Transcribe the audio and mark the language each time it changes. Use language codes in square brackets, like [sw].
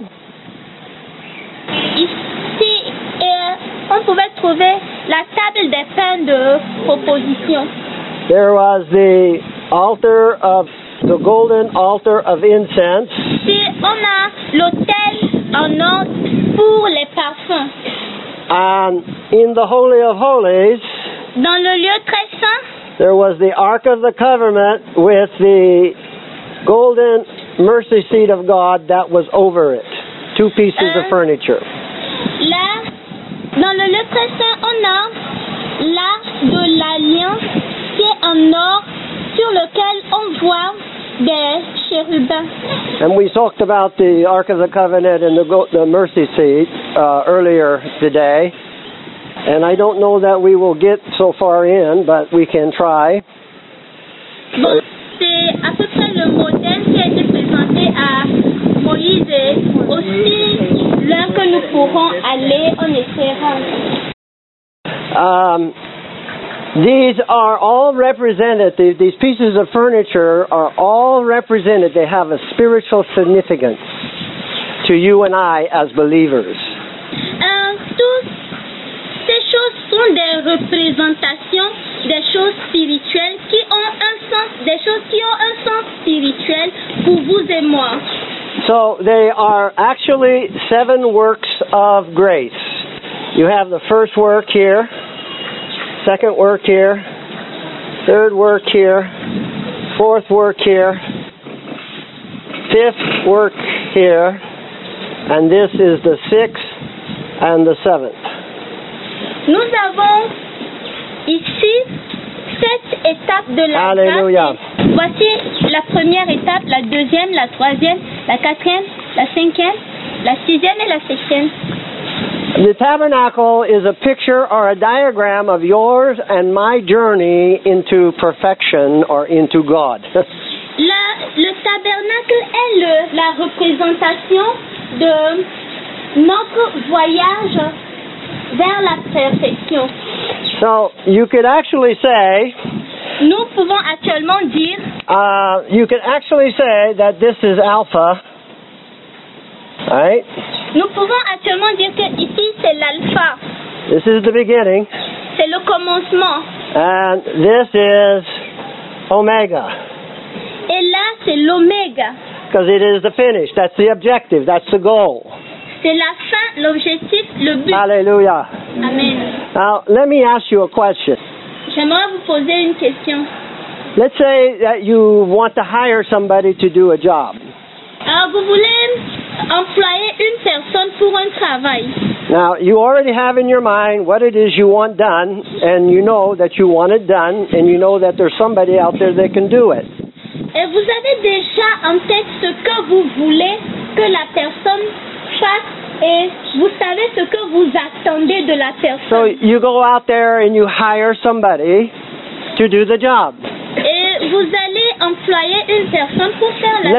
[fr] Ici, on pouvait trouver la table des pains de proposition. [en] There was the altar of the golden altar of incense. [fr] Ici, on a l'autel en or pour les parfums. [en] And in the Holy of Holies, [fr] dans le lieu très saint, [en] there was the Ark of the Covenant with the golden mercy seat of God that was over it. Two pieces of furniture. [fr] Là, dans le lieu très saint, on a l'Arc de l'Alliance qui est en or sur lequel on voit des chérubins. [en] And we talked about the Ark of the Covenant and the mercy seat earlier today. And I don't know that we will get so far in, but we can try. [fr] Bon, c'est à peu près le modèle qui a été présenté à Moïse et aussi là que nous pourrons aller en essayera. [en] These are all representative. These pieces of furniture are all represented. They have a spiritual significance to you and I as believers. [fr] Toutes ces choses sont des représentations des choses spirituelles qui ont un sens, des choses qui ont un sens spirituel pour vous et moi. [en] So they are actually seven works of grace. You have the first work here. Second work here, third work here, fourth work here, fifth work here, and this is the sixth and the seventh. [fr] Nous avons ici sept étapes de la grâce. Alléluia. Voici la première étape, la deuxième, la troisième, la quatrième, la cinquième, la sixième et la septième. [en] The tabernacle is a picture or a diagram of yours and my journey into perfection or into God. [fr] Le tabernacle est la représentation de notre voyage vers la perfection. [en] So you could actually say. [fr] Nous pouvons actuellement dire. [en] You could actually say that this is Alpha. Right. [fr] Nous pouvons actuellement dire que ici c'est l'alpha. [en] This is the beginning. [fr] C'est le commencement. [en] And this is omega. [fr] Et là c'est l'oméga. [en] Because it is the finish. That's the objective. That's the goal. [fr] C'est la fin, l'objectif, le but. [en] Hallelujah. Amen. Now let me ask you a question. [fr] J'aimerais vous poser une question. [en] Let's say that you want to hire somebody to do a job. [fr] Alors vous voulez employer une personne pour un travail. [en] Now, you already have in your mind what it is you want done, and you know that you want it done, and you know that there's somebody out there that can do it. [fr] Et vous avez déjà en tête ce que vous voulez que la personne fasse, et vous savez ce que vous attendez de la personne. [en] So, you go out there and you hire somebody to do the job. [fr] Et vous allez employer une personne pour faire la...